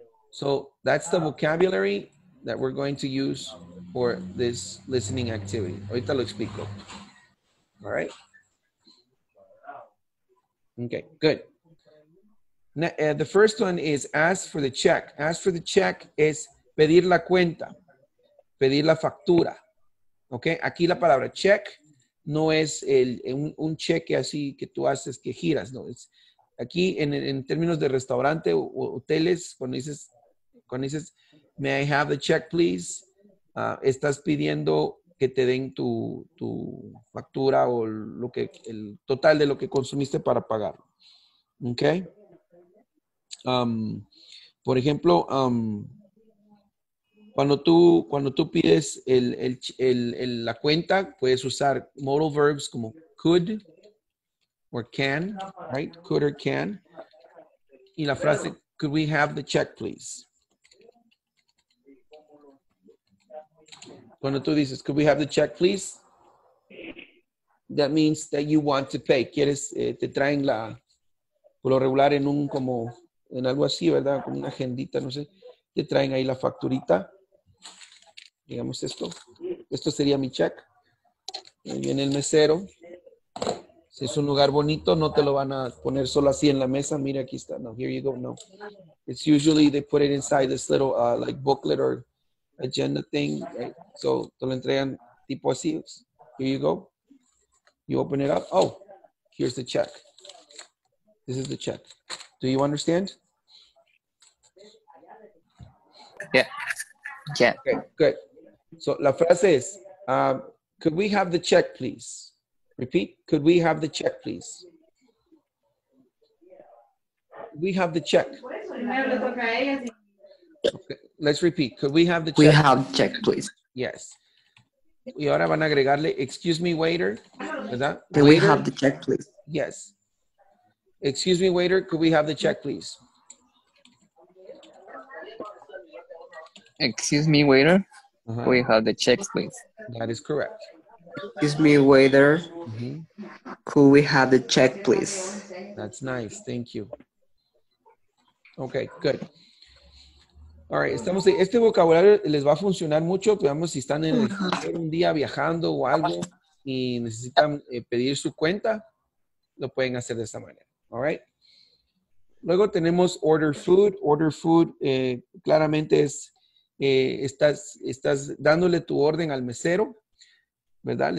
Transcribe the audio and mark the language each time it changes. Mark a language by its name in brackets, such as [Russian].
[English] So that's the vocabulary that we're going to use for this listening activity. [Spanish] Ahorita lo explico. [English] All right. Okay, good. Now, the first one is ask for the check. Ask for the check is [Spanish] pedir la cuenta, pedir la factura. Okay, aquí la palabra check no es el, un cheque así que tú haces que giras. No, es aquí en términos de restaurante o hoteles, cuando dices, [English] may I have the check, please, [Spanish] estás pidiendo que te den tu, tu factura o lo que, el total de lo que consumiste para pagar. Ok. Por ejemplo, cuando tú pides la cuenta, puedes usar modal verbs como [English] could or can, [Spanish] right? [English] Could or can. [Spanish] Y la frase, [English] could we have the check, please? [Spanish] Cuando tú dices, [English] could we have the check, please? That means that you want to pay. [Spanish] Quieres, te traen la, por lo regular en un como, en algo así, ¿verdad? Como una agendita, no sé. Te traen ahí la facturita. Digamos esto. Esto sería mi check. Ahí viene el mesero. Si es un lugar bonito, no te lo van a poner solo así en la mesa. Mira, aquí está. No, [English] here you go. [Spanish] No. [English] It's usually they put it inside this little like booklet or agenda thing, right? [Spanish] So, te lo entregan tipo así. [English] Here you go. You open it up. Oh, here's the check. This is the check. Do you understand? Yeah. Yeah. Okay, good. So, [Spanish] la frase es, [English] could we have the check, please? Repeat. Could we have the check, please? We have the check. Okay, let's repeat. Could we have the check? We have check, please. [Spanish] Yes. Y ahora van a agregarle, [English] excuse me, waiter. [Spanish] ¿Verdad? [English] Can we have the check, please? Yes. Excuse me, waiter. Could we have the check, please? Excuse me, waiter. Uh-huh. We have the check, please. That is correct. Excuse me, waiter. Mm-hmm. Could we have the check, please? That's nice. Thank you. Okay, good. All right, [Spanish] estamos, este vocabulario les va a funcionar mucho, digamos, si están en un día viajando o algo y necesitan pedir su cuenta, lo pueden hacer de esta manera, [English] all right? [Spanish] Luego tenemos order food. Order food claramente es, estás dándole tu orden al mesero, ¿verdad?